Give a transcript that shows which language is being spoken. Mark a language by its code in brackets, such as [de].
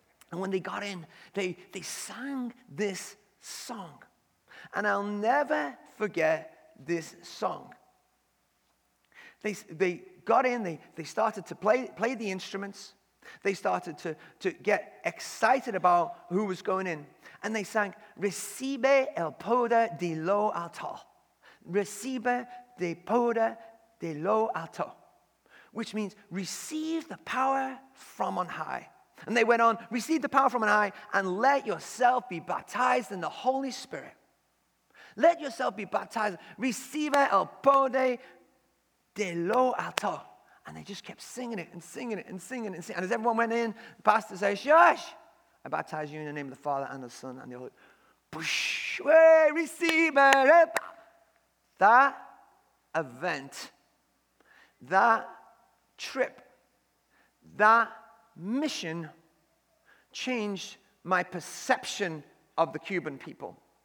[en] And when they got in, they sang this song. And I'll never forget this song. They got in, they started to play the instruments. They started to get excited about who was going in. And they sang, [es] Recibe el poder de lo alto. Recibe el poder de lo alto. [en] Which means, receive the power from on high. And they went on, receive the power from on high and let yourself be baptized in the Holy Spirit. Let yourself be baptized. [es] Recibe el poder de lo alto. [en] And they just kept singing it and singing it and singing it. And as everyone went in, the pastor said, Shush! I baptize you in the name of the Father and the Son and the Holy Spirit. Way, receive it. That event, that trip, that mission changed my perception of the Cuban people.